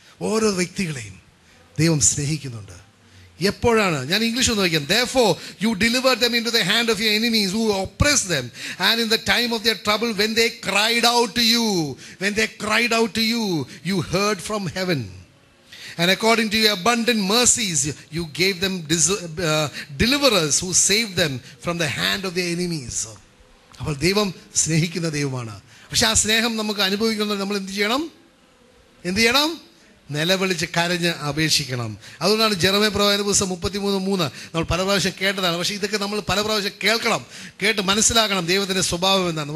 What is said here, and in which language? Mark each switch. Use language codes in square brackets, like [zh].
[ml] ഓരോ വ്യക്തികളെയും ദൈവം സ്നേഹിക്കുന്നുണ്ട്. എപ്പോഴാണ്, ഞാൻ ഇംഗ്ലീഷ് ഒന്ന് വയ്ക്കാം. [en] Therefore you deliver them into the hand of your enemies who oppress them, and in the time of their trouble when they cried out to you, when they cried out to you, you heard from heaven. And according to your abundant mercies, you gave them deliverers who saved them from the hand of their enemies. [ml] അപ്പോൾ ദൈവം സ്നേഹിക്കുന്ന ദൈവമാണ്. പക്ഷെ ആ സ്നേഹം നമുക്ക് അനുഭവിക്കുന്നത് നമ്മൾ എന്ത് ചെയ്യണം? എന്ത് ചെയ്യണം? നിലവിളിച്ച് കരഞ്ഞ് അപേക്ഷിക്കണം. അതുകൊണ്ടാണ് ജെറമിയ പ്രവാചകൻ പുസ്തകം 33:3 നമ്മൾ പല പ്രാവശ്യം കേട്ടതാണ്. പക്ഷേ ഇതൊക്കെ നമ്മൾ പല പ്രാവശ്യം കേൾക്കണം, കേട്ട് മനസ്സിലാക്കണം ദൈവത്തിൻ്റെ സ്വഭാവം എന്താണ്.